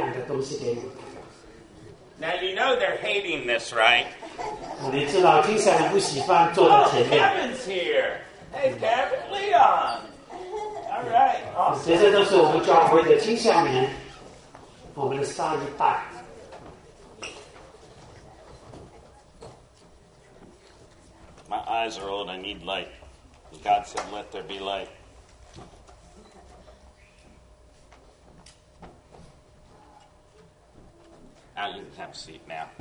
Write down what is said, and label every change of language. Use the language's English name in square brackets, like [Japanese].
[Chinese] 听下人。啊，今天美国牧师有些不一样的东西给你们看。 [English] Now you know they're hating this, right? [Chinese] 你知道听下人不喜欢坐到前面。 [English] Kevin's here. Hey, Kevin, Leon. All right. Awesome. [Chinese] 这些都是我们教会的听下人，我们的上一代。 [English] My eyes are old, I need light. And God said, let there be light. Now you can have a seat now.